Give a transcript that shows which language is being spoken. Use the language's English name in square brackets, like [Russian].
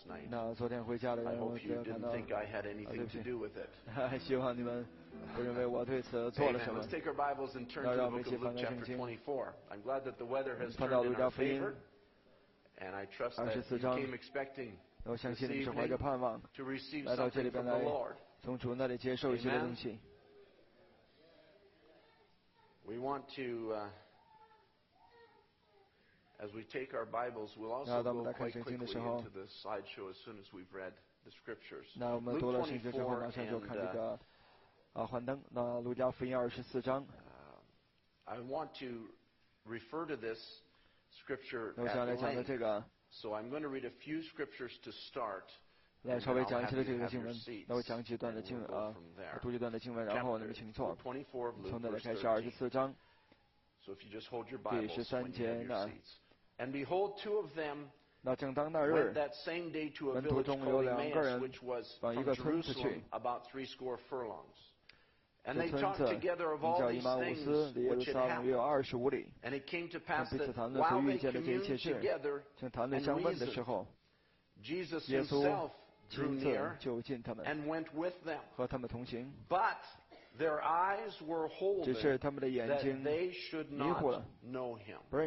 [Chinese] 那昨天回家的人，我感到希望你们不认为我对此做了什么。 [English] Let's take our Bibles and turn to the book of Luke chapter 24. I'm glad that the weather has turned in our favor, and I trust that you came expecting this evening to receive something from the Lord. [Chinese] 从主那里接受一些东西。 [English] We want to, as we take our Bibles, we'll also go quite quickly into the slideshow as soon as we've read the scriptures. [Chinese] 那我们读了圣经之后，马上就看这个。幻灯，那路加福音二十四章。 [English] I want to refer to this scripture. [Chinese] 我想来讲的这个。 [English] So I'm going to read a few scriptures to start. [Chinese] 来稍微讲一下这个经文。那我讲几段的经文啊，读几段的经文，然后你们请坐。从那里开始，二十四章。 [English] So if you just hold your Bible, [Chinese] 第十三节呢。 [English] And behold, two of them. [Chinese] 那正当那日，门徒中有两个人往一个村子去。 [English] About three score furlongs. And they talked together of all these things which had happened. And it came to pass that while they communed together and reasoned, Jesus himself drew near and went with them. But their eyes were holden that they should not know him.